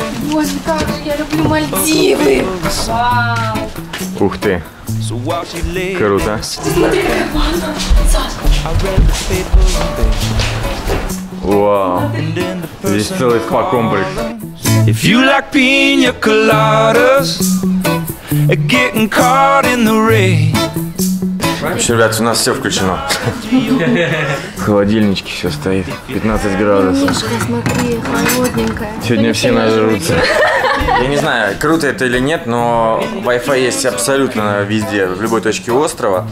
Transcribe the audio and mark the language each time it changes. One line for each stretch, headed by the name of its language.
Russian: Боже, как же я люблю Мальдивы. Ух ты. Круто. Смотри, какая ванна. Вау. Здесь целый спа-комплекс.
English: If you like pina coladas, getting caught in the rain.
Russian: Вообще, ребят, у нас все включено. В холодильничке все стоит. 15 градусов. Мишка, смотри, холодненькая. Сегодня все нажрутся. Я не знаю, круто это или нет, но Wi-Fi есть абсолютно везде, в любой точке острова.